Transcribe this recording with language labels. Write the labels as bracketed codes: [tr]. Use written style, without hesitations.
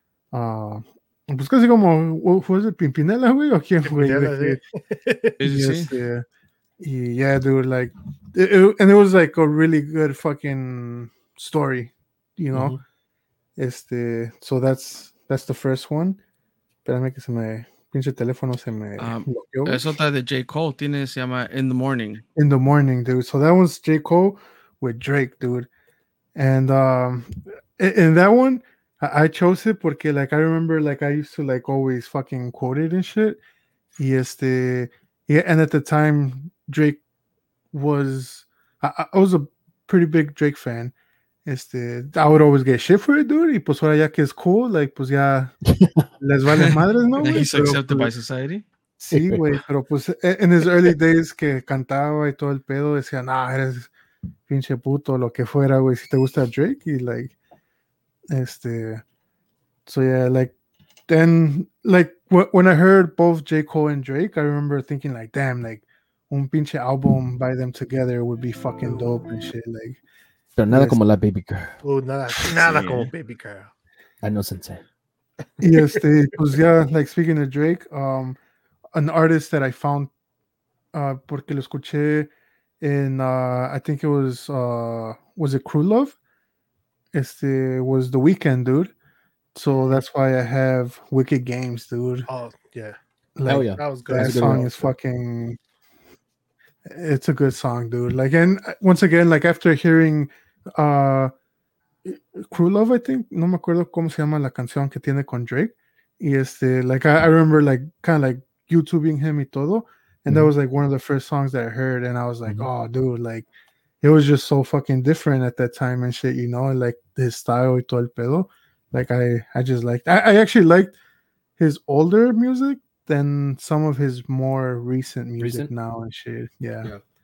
[es] Pues casi como, ¿fue de Pimpinela, güey? ¿O quién, güey? Sí. [en] Yes, yeah. Yeah, dude, like, and it was like a really good fucking story, you know? [es] Mm-hmm. [en] So that's the first one. [es] Espérame que se me, pinche teléfono se me. Es otra de J. Cole, tiene, se llama In the Morning. [en] In the Morning, dude. So that was J. Cole with Drake, dude. And in that one, I chose it [es] porque, [en] like, I remember, like, I used to, like, always fucking quote it and shit. And at the time, Drake was, I was a pretty big Drake fan. I would always get shit for it, dude. [es] Y pues ahora ya que es cool, like, pues ya les vale madres, ¿no? [en] And he's accepted [es] pero, [en] by society. [es] Sí, güey, pero pues [en] in his early days [es] que cantaba y todo el pedo, decía, nah, eres pinche puto, lo que fuera, güey, si te gusta Drake, y like, [en] so yeah, like, then, like, when I heard both J. Cole and Drake, I remember thinking, like, damn, like, [es] un pinche [en] album by them together would be fucking dope and shit, like. [es] Pero nada como la [en] baby girl. [es] Nada como [en] baby girl. I know, sensei. [es] pues, [en] yeah, like, speaking of Drake, an artist that I found, [es] porque lo escuché [en] in, I think it was it Crew Love? Was The Weeknd, dude. So that's why I have Wicked Games, dude. Oh, yeah. Like, hell yeah. That was good. That song is fucking... It's a good song, dude. Like, and once again, like, after hearing Crew Love, I think. [es] No me acuerdo cómo se llama la canción que tiene con Drake. Y [en] like, I remember, like, kind of like YouTubing him [es] y todo. [en] And that was, like, one of the first songs that I heard. And I was like, oh, dude, like... It was just so fucking different at that time and shit, you know, like his style [es] y todo el pedo. [en] Like I just liked, I actually liked his older music than some of his more recent music now and shit. Yeah.